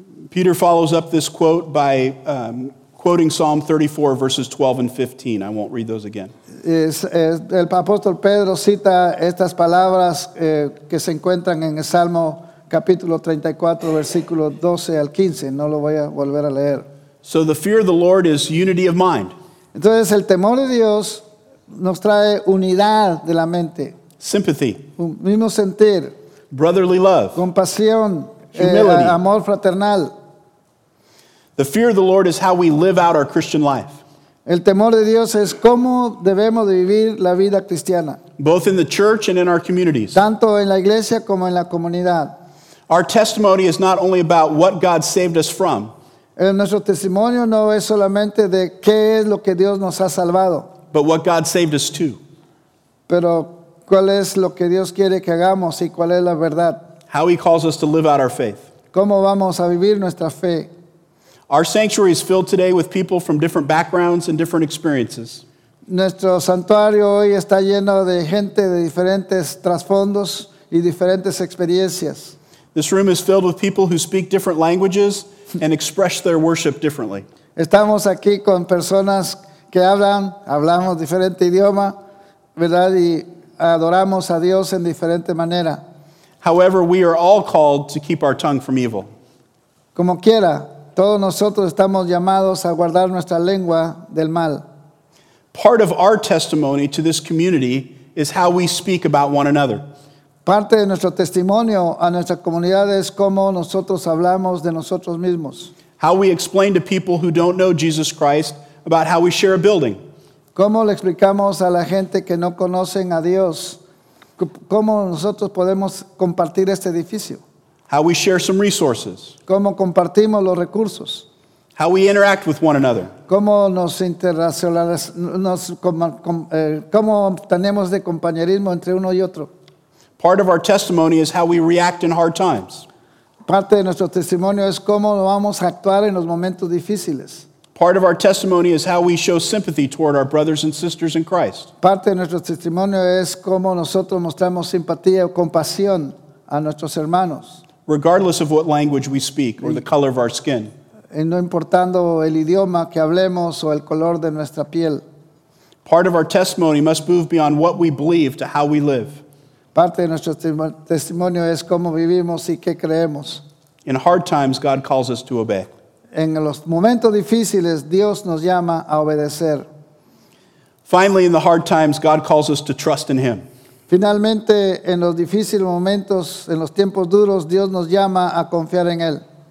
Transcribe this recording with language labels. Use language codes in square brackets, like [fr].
[en] Peter follows up this quote by quoting Psalm 34, verses 12 and 15. I won't read those again. [es] El apóstol Pedro cita estas palabras que se encuentran en el Salmo capítulo 34, versículo 12 al 15. No lo voy a volver a leer. [en] So the fear of the Lord is unity of mind. [es] Entonces el temor de Dios nos trae unidad de la mente. [en] Sympathy. [es] Un mismo sentir. [en] Brotherly love. [es] Compasión. [en] Humility. [es] Amor fraternal. [en] The fear of the Lord is how we live out our Christian life. [es] El temor de Dios es cómo debemos de vivir la vida cristiana. [en] Both in the church and in our communities. [es] Tanto en la iglesia como en la comunidad. [en] Our testimony is not only about what God saved us from. [es] Nuestro testimonio no es solamente de qué es lo que Dios nos ha salvado. [en] But what God saved us to. [es] Pero cuál es lo que Dios quiere que hagamos y cuál es la verdad. [en] How he calls us to live out our faith. [es] ¿Cómo vamos a vivir nuestra fe? [en] Our sanctuary is filled today with people from different backgrounds and different experiences. [es] Nuestro santuario hoy está lleno de gente de diferentes trasfondos y diferentes experiencias. [en] This room is filled with people who speak different languages and express their worship differently. [es] Estamos aquí con personas que hablamos diferente idioma, ¿verdad? Y adoramos a Dios en diferente manera. [en] However, we are all called to keep our tongue from evil. [es] Como quiera, todos nosotros estamos llamados a guardar nuestra lengua del mal. [en] Part of our testimony to this community is how we speak about one another. [es] Parte de nuestro testimonio a nuestra comunidad es cómo nosotros hablamos de nosotros mismos. [en] How we explain to people who don't know Jesus Christ about how we share a building. [es] Cómo le explicamos a la gente que no conocen a Dios cómo nosotros podemos compartir este edificio. [en] How we share some resources. [es] Cómo compartimos los recursos. [en] How we interact with one another. [es] Cómo nos interrelacionamos, cómo tenemos de compañerismo entre uno y otro. [en] Part of our testimony is how we react in hard times. [es] Parte de nuestro testimonio es cómo vamos a actuar en los momentos difíciles. [en] Part of our testimony is how we show sympathy toward our brothers and sisters in Christ. [es] Parte de nuestro testimonio es cómo nosotros mostramos simpatía o compasión a nuestros hermanos. [en] Regardless of what language we speak or the color of our skin. [es] Y no importando el idioma que hablemos o el color de nuestra piel. [en] Part of our testimony must move beyond what we believe to how we live. [es] Parte de nuestro testimonio es cómo vivimos y qué creemos. [en] In hard times, God calls us to obey. [es] En los momentos difíciles, Dios nos llama a obedecer. [en] Finally, in the hard times, God calls us to trust in Him. [es] Finalmente, en los difíciles momentos, en los tiempos duros, Dios nos llama a confiar en Él.